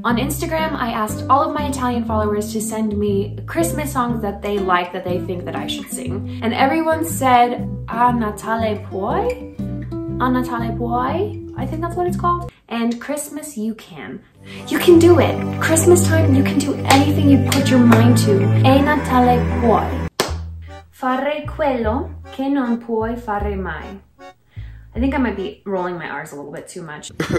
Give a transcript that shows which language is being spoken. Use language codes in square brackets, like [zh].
[en] On Instagram, I asked all of my Italian followers to send me Christmas songs that they like, that they think that I should sing. And everyone said, a Natale puoi? A Natale puoi? I think that's what it's called. And Christmas, you can. You can do it. Christmas time, you can do anything you put your mind to. [it] E Natale puoi. Fare quello che non puoi fare mai. [en] I think I might be rolling my R's a little bit too much.